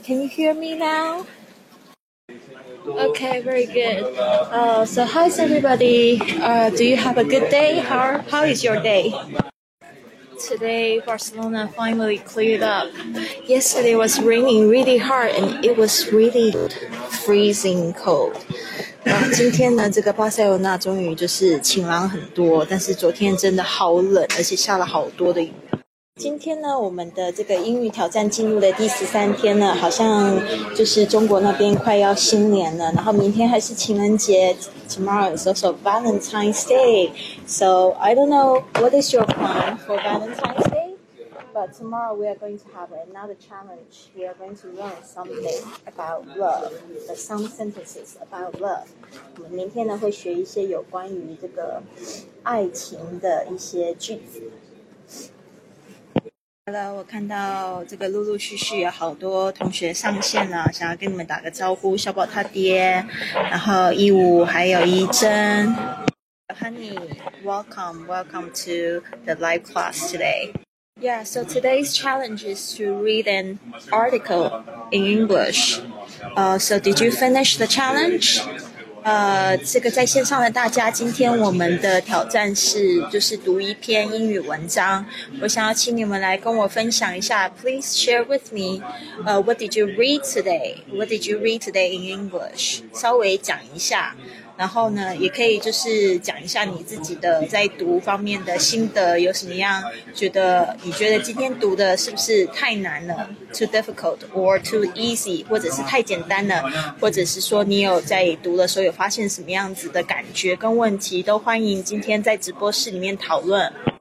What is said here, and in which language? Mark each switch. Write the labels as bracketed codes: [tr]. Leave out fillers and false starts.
[en] Can you hear me now? Okay, very good. So how's everybody? Do you have a good day? How is your day? Today, Barcelona finally cleared up. Yesterday was raining really hard and it was really freezing cold. [zh] 今天呢，这个巴塞罗那终于就是晴朗很多，但是昨天真的好冷，而且下了好多的雨。今天呢，我们的这个英语挑战进入的第13天了，好像就是中国那边快要新年了，然后明天还是情人节 ， [en] Tomorrow is also Valentine's Day. So I don't know what is your plan for Valentine's Day, but tomorrow we are going to have another challenge. We are going to learn something about love, some sentences about love. [zh] 我们明天呢会学一些有关于这个爱情的一些句子。 Hello， 我看到这个陆陆续续有好多同学上线了，想要跟你们打个招呼。小宝他爹，然后一五，还有一真 ， [en] Honey，welcome to the live class today。 Yeah， so today's challenge is to read an article in English。 So did you finish the challenge？ [zh] 这个在线上的大家，今天我们的挑战是就是读一篇英语文章。我想要请你们来跟我分享一下 ， [en] Please share with me， what did you read today？ What did you read today in English？ [zh] 稍微讲一下，然后呢，也可以就是讲一下你自己的在读方面的心得，有什么样觉得你觉得今天读的是不是太难了 ， [en] too difficult or too easy， [zh] 或者是太简单了，或者是说你有在读的时候有发现什么样子的感觉跟问题，都欢迎今天在直播室里面讨论。